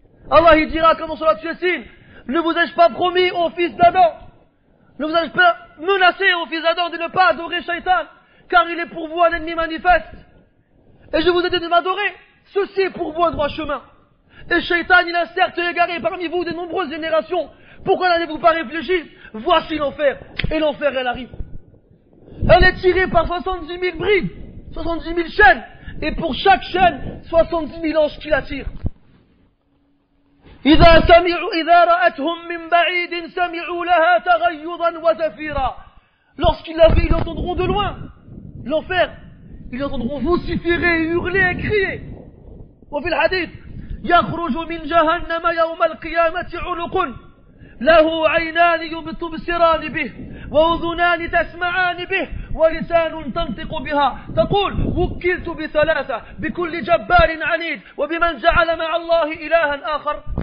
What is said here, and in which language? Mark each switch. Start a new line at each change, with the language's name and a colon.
French: Allah il dira comme sur la Tchessine, ne vous ai-je pas promis au fils d'Adam, ne vous ai-je pas menacé au fils d'Adam de ne pas adorer Shaitan, car il est pour vous un ennemi manifeste, et je vous ai dit de m'adorer, ceci est pour vous un droit chemin. Et Shaitan il a certes égaré parmi vous de nombreuses générations, Pourquoi n'allez-vous pas réfléchir? Voici l'enfer. Et l'enfer, elle arrive. Elle est tirée par 70 000 brides, 70 000 chaînes. Et pour chaque chaîne, 70 000 anges qui la tirent.
Arabic: إذا سمعوا إذا رأتهم من بعيد سمعوا لها تغيضا وزفيرا.
French: Lorsqu'ils la verront, ils l'entendront de loin. L'enfer, ils l'entendront vociférer, hurler et crier.
Arabic: وفي الحديث يخرج من جهنم يوم القيامة عنق له عينان يبصران به وأذنان تسمعان به ولسان تنطق بها. تقول وكلت بثلاثة بكل جبار عنيد وبمن جعل مع الله إلها آخر.